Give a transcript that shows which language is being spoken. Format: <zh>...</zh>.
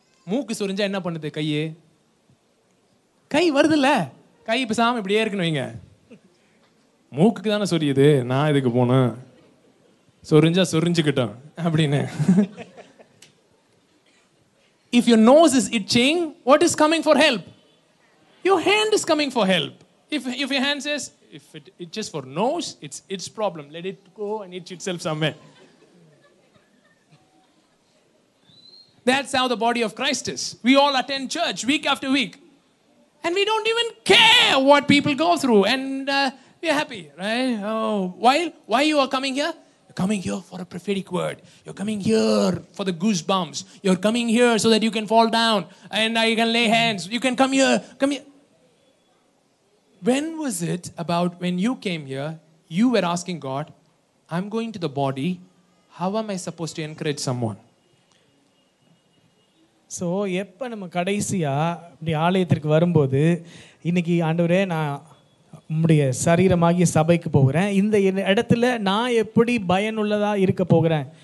<ta>மூக்கு சொரிஞ்சா என்ன பண்ணுது? கையே கை வருதுல்ல, கை பிசாம இப்படியே இருக்கணும். இங்க மூக்குக்கு தானே சொரியுது, நான் இதுக்கு போனேன், சொரிஞ்சா சொரிஞ்சுக்கிட்டோம் அப்படின்னு.</ta> <en>If your nose is itching, what is coming for help? Your hand is coming for help. If your hand says, if it itches for nose, it's its problem. Let it go and itch itself somewhere. That's how the body of Christ is. We all attend church week after week. And we don't even care what people go through. And you're happy, right? Oh, why you are coming here? You're coming here for a prophetic word. You're coming here for the goosebumps. You're coming here so that you can fall down and I can lay hands. You can come here. Come here. When was it about when you came here, you were asking God, I'm going to the body. How am I supposed to encourage someone? So, when we come to the body,</en> <ta>இன்னைக்கு ஆண்டவரே நான் உம்முடைய சரீரமாகிய சபைக்கு போகிறேன், இந்த இடத்துல நான் எப்படி பயனுள்ளதா இருக்க போகிறேன்?</ta>